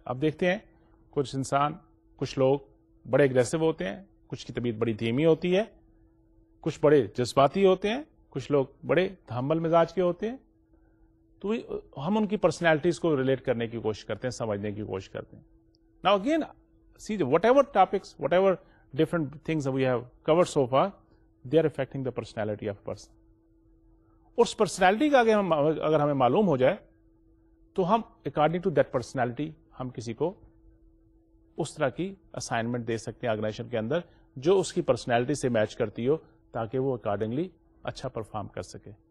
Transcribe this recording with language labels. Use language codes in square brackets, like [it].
[ur] اب دیکھتے ہیں کچھ انسان، کچھ لوگ بڑے اگریسو ہوتے ہیں، کچھ کی طبیعت بڑی دھیمی ہوتی ہے، کچھ بڑے جذباتی ہوتے ہیں، کچھ لوگ بڑے تحمل مزاج کے ہوتے ہیں. تو ہم ان کی پرسنالٹیز کو ریلیٹ کرنے کی کوشش کرتے ہیں، سمجھنے کی کوشش کرتے ہیں. [en] Now again see the whatever topics, whatever different things we have covered so far, they are affecting the personality of person. [ur] اس personality کا اگر ہمیں معلوم ہو جائے تو ہم [en] according to that personality [ur] ہم کسی کو اس طرح کی اسائنمنٹ دے سکتے ہیں آرگنائزیشن کے اندر جو اس کی پرسنالٹی سے میچ کرتی ہو، تاکہ وہ اکارڈنگلی اچھا پرفارم کر سکے.